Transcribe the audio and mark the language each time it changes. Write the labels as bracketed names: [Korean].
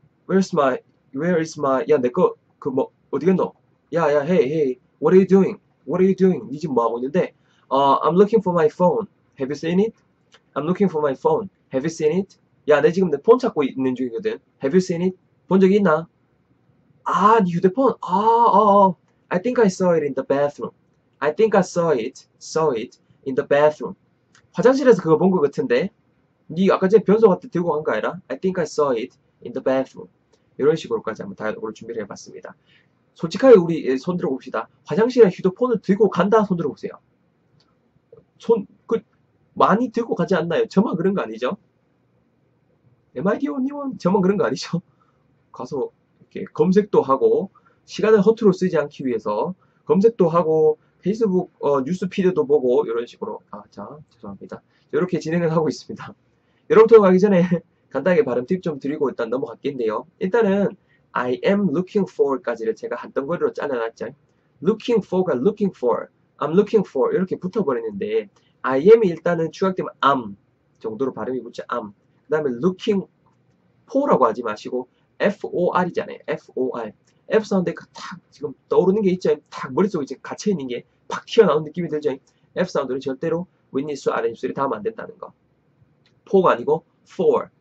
[English] Where is my? [Korean] 야, 내거그뭐 어디 갔노? 야, hey. [English] What are you doing? [Korean] 니 지금 뭐 하고 있는데? [English] I'm looking for my phone. Have you seen it? I'm looking for my phone. Have you seen it? [Korean] 야, 내 지금 내폰 찾고 있는 중이거든. [English] Have you seen it? [Korean] 본 적이 있나? 아, 네 휴대폰. [English] I think I saw it in the bathroom. I think I saw it in the bathroom. [Korean] 화장실에서 그거 본것 같은데. 네 아까 전에 변소한테 들고 간거 아니라? [English] I think I saw it in the bathroom. [Korean] 이런 식으로까지 한번 다이얼로그를 준비를 해봤습니다. 솔직하게 우리 손들어 봅시다. 화장실에 휴대폰을 들고 간다 손들어 보세요. 손, 그, 많이 들고 가지 않나요? 저만 그런 거 아니죠? MIDO님은 저만 그런 거 아니죠? 가서 이렇게 검색도 하고 시간을 허투루 쓰지 않기 위해서 검색도 하고 페이스북 뉴스 피드도 보고 이런 식으로 아, 자, 죄송합니다. 이렇게 진행을 하고 있습니다. 여러분들 가기 전에 간단하게 발음 팁좀 드리고 일단 넘어갈게요. 일단은 I am looking for까지를 제가 한 덩어리로 잘라놨죠. Looking for가 looking for, [English] I'm looking for [Korean] 이렇게 붙어버렸는데 I am이 일단은 축약되면 am 정도로 발음이 붙죠. [English] am. [Korean] 그 다음에 looking for라고 하지 마시고 FOR이잖아요. [English] FOR. [Korean] F 사운드에 탁 지금 떠오르는 게 있죠. 탁 머릿속에 지금 갇혀 있는 게팍 튀어나온 느낌이 들죠. F 사운드는 절대로 윗니스, 아랫입술이 닿으면 안 된다는 거. 4가 아니고 4.